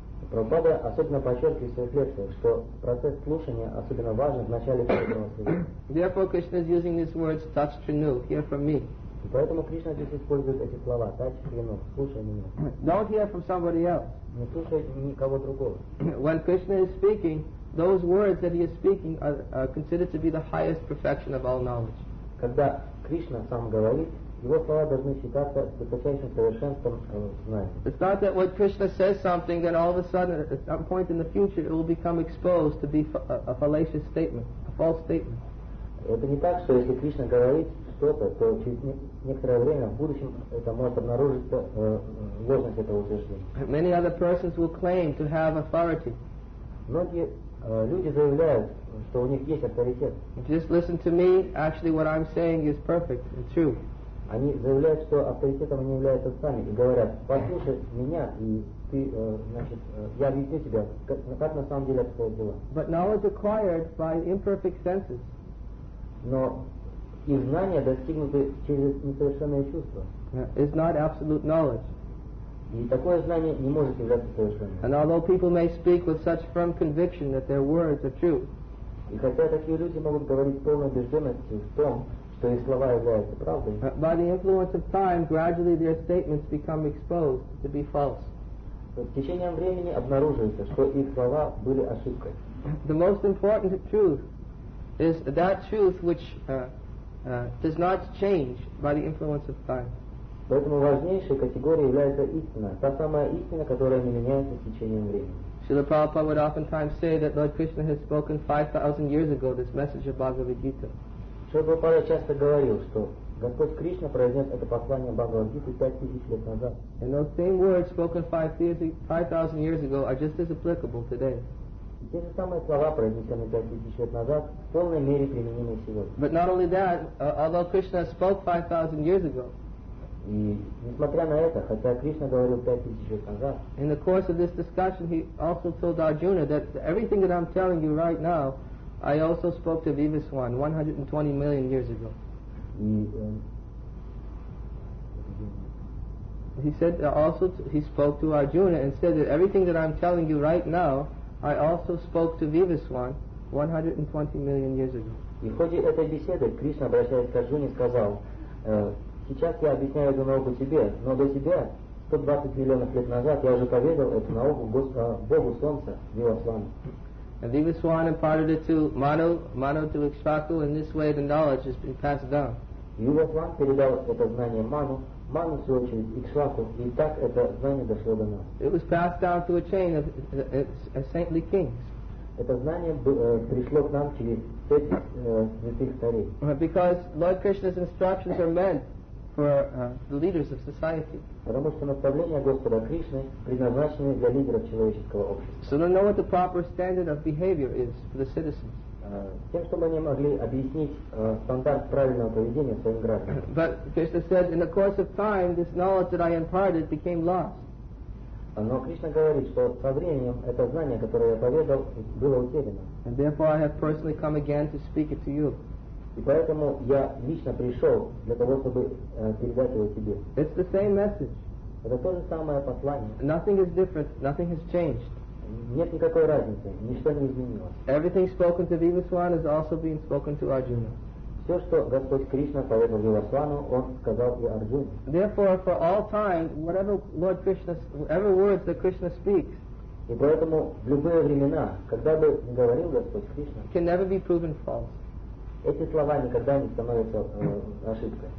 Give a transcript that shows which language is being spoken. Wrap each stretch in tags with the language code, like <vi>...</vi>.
<ru>Prabhupada особенно подчеркивает в своих лекциях, что процесс слушания особенно важен в начале преданного служения.</ru> <en>Therefore, Krishna is using these words, touch trinu, hear from me.</en> <ru>И поэтому Кришна здесь использует эти слова, touch trinu, слушай меня.</ru> <en>Don't hear from somebody else.</en> <ru>Не слушай никого другого.</ru> <en>When Krishna is speaking, those words that he is speaking are considered to be the highest perfection of all knowledge.</en> <ru>Когда Кришна сам говорит, его слова должны считаться высочайшим совершенством знания.</ru> <en>It's not that when Krishna says something, then all of a sudden, at some point in the future, it will become exposed to be a fallacious statement, a false statement.</en> <ru>Это не так, что если Кришна говорит что-то, то через некоторое время, в будущем, это может обнаружиться ложность этого утверждения.</ru> <en>Many other persons will claim to have authority.</en> <ru>Многие люди заявляют, что у них есть авторитет.</ru> <en>Just listen to me, actually what I'm saying is perfect and true.</en> <ru>Они заявляют, что авторитетом они являются сами, и говорят, послушай меня, и ты, значит, я объясню тебе, как на самом деле это было.</ru> <en>But knowledge acquired by imperfect senses.</en> <ru>Но и знания, достигнуты через несовершенные чувства.</ru> <en>It's not absolute knowledge.</en> <ru>И такое знание не может являться совершенным.</ru> <en>And although people may speak with such firm conviction that their words are true.</en> <ru>И хотя такие люди могут говорить с полной убежденностью в том, что их слова являются правдой.</ru> <en>By the influence of time, gradually their statements become exposed to be false.</en> <ru>С течением времени обнаруживается, что их слова были ошибкой.</ru> <en>The most important truth is that truth which does not change by the influence of time.</en> <ru>Поэтому важнейшей категорией является истина, та самая истина, которая не меняется с течением времени.</ru> <en>Srila Prabhupada would oftentimes say that Lord Krishna has spoken 5,000 years ago this message of Bhagavad Gita.</en> <ru>Шрила Прабхупада часто говорил, что Господь Кришна произнес это послание Бхагавад Гиты 5000 лет назад.</ru> <en>And those same words spoken 5,000 years ago are just as applicable today.</en> <ru>Те же самые слова, произнесенные 5000 лет назад, в полной мере применимы сегодня.</ru> <en>But not only that, although Krishna spoke 5,000 years ago,</en> <ru>и несмотря на это, хотя Кришна говорил 5000 лет назад,</ru> <en>in the course of this discussion, he also told Arjuna that everything that I'm telling you right now, I also spoke to Vivaswan 120 million years ago. He said also he spoke to Arjuna and said that everything that I'm telling you right now, I also spoke to Vivaswan 120 million years ago.</en> <ru>И в ходе этой беседы Кришна, обращаясь к Арджуне, сказал, сейчас я объясняю эту науку тебе, но до тебя 120 миллионов лет назад я уже поведал эту науку Богу Солнца, Вивасвану.</ru> <en>And Vivaswan imparted it to Manu, Manu to Ikshvaku, in this way the knowledge has been passed down.</en> <ru>Vivaswan передал это знание Manu, Manu в свою очередь Ikshvaku, и так это знание дошло до нас.</ru> <en>It was passed down through a chain of saintly kings.</en> <ru>Это знание пришло к нам через цепь святых старей.</ru> <en>Because Lord Krishna's instructions are meant for the leaders of society.</en> <ru>Потому что наставления Господа Кришны предназначены для лидеров человеческого общества.</ru> <en>So they know what the proper standard of behavior is for the citizens.</en> <ru>Тем, чтобы они могли объяснить стандарт правильного поведения своим гражданам.</ru> <en>But Krishna said, in the course of time, this knowledge that I imparted became lost.</en> <ru>Но Кришна говорит, что со временем это знание, которое я поведал, было утеряно.</ru> <en>And therefore I have personally come again to speak it to you.</en> <ru>И поэтому я лично пришел для того, чтобы передать его тебе.</ru> <en>It's the same message.</en> <ru>Это то же самое послание.</ru> <en>Nothing is different, nothing has changed.</en> <ru>Нет никакой разницы, ничто не изменилось.</ru> <en>Everything spoken to Vivaswan is also being spoken to Arjuna.</en> <ru>Все, что Господь Кришна поведал Вивасвану, Он сказал и Арджуне.</ru> <en>Therefore, for all time, whatever Lord Krishna, whatever words that Krishna speaks,</en> <ru>и поэтому в любые времена, когда бы ни говорил Господь Кришна,</ru> <en>can never be proven false.</en> <ru>Эти слова никогда не становятся ошибкой.</ru>